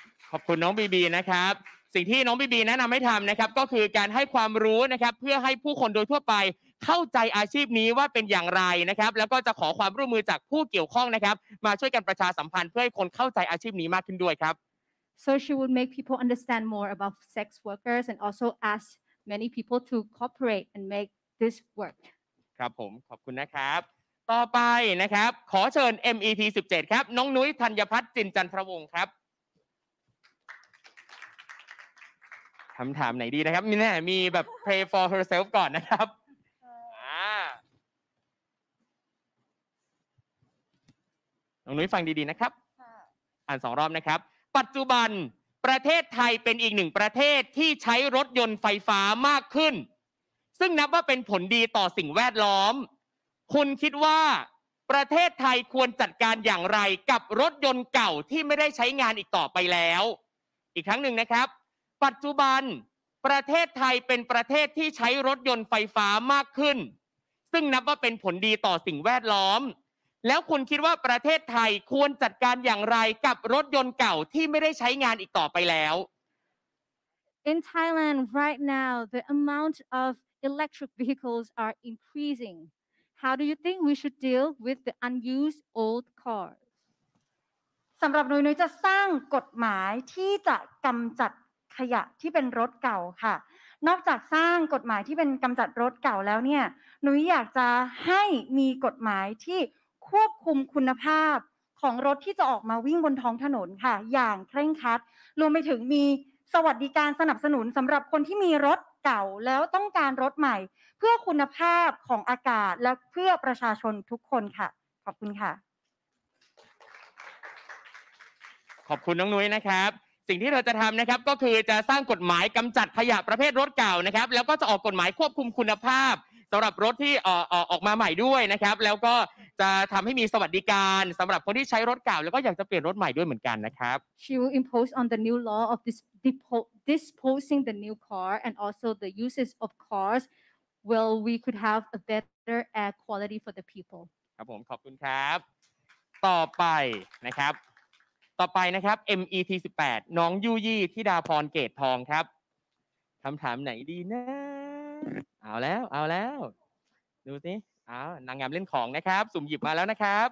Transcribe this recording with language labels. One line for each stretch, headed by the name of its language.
Thai: ขอบคุณน้องบีบีนะครับสิ่งที่น้องบีบีแนะนำให้ทำนะครับก็คือการให้ความรู้นะครับเพื่อให้ผู้คนโดยทั่วไปเข้าใจอาชีพนี้ว่าเป็นอย่างไรนะครับแล้วก็จะขอความร่วมมือจากผู้เกี่ยวข้องนะครับมาช่วยกันประชาสัมพันธ์เพื่อให้คนเข้าใจอาชีพนี้มากขึ้นด้วยครับ
English: So she would make people understand more about sex workers and also ask many people to cooperate and make this work.
Thai: ครับผมขอบคุณนะครับต่อไปนะครับขอเชิญ MET 17ครับน้องนุ้ยธัญพัฒน์จินจันทรวงศ์ครับคำถามไหนดีนะครับมีแน่มีแบบ
English: pray for herself
Thai: ก่อนนะครับ น้องนุ้ยฟังดีๆนะครับอ่านสองรอบนะครับปัจจุบันประเทศไทยเป็นอีกหนึ่งประเทศที่ใช้รถยนต์ไฟฟ้ามากขึ้น ซึ่งนับว่าเป็นผลดีต่อสิ่งแวดล้อมคุณคิดว่าประเทศไทยควรจัดการอย่างไรกับรถยนต์เก่าที่ไม่ได้ใช้งานอีกต่อไปแล้วอีกครั้งหนึ่งนะครับปัจจุบันประเทศไทยเป็นประเทศที่ใช้รถยนต์ไฟฟ้ามากขึ้นซึ่งนับว่าเป็นผลดีต่อสิ่งแวดล้อมแล้วคุณคิดว่าประเทศไทยควรจัดการอย่างไรกับรถยนต์เก่าที่ไม่ได้ใช้งานอีกต่อไปแล้ว
English: In Thailand right now the amount of electric vehicles are increasing how do you think we should deal with the unused old cars
Thai: สำหรับหนูจะสร้างกฎหมายที่จะกำจัดขยะที่เป็นรถเก่าค่ะนอกจากสร้างกฎหมายที่เป็นกำจัดรถเก่าแล้วเนี่ยหนูอยากจะให้มีกฎหมายที่ควบคุมคุณภาพของรถที่จะออกมาวิ่งบนท้องถนนค่ะอย่างเคร่งครัดรวมไปถึงมีสวัสดิการสนับสนุนสำหรับคนที่มีรถเก่าแล้วต้องการรถใหม่เพื่อคุณภาพของอากาศและเพื่อประชาชนทุกคนค่ะขอบคุณค่ะ ขอบคุณน้องนุ้ยนะครับสิ่งที่เราจะทำนะครับก็คือจะสร้างกฎหมายกำจัดขยะประเภทรถเก่านะครับแล้วก็จะออกกฎหมายควบคุมคุณภาพสำหรับรถที่ออกมาใหม่ด้วยนะครับแล้วก็จะทำให้มีสวัสดิการสำหรับคนที่ใช้รถเก่าแล้วก็อยากจะเปลี่ยนรถใหม่ด้วยเหมือนกันนะครับ
English: She will impose on the new law of disposing the new car and also the uses of cars well we could have a better air quality for the people
Thai: ครับผมขอบคุณครับต่อไปนะครับต่อไปนะครับ MET 18น้องยูยี่ธิดาพรเกตทองครับคำถามไหนดีนะเอาแล้วเอาแล้วดูสิเอานางงามเล่นของนะครับสุ่มหยิบมาแล้วนะครับ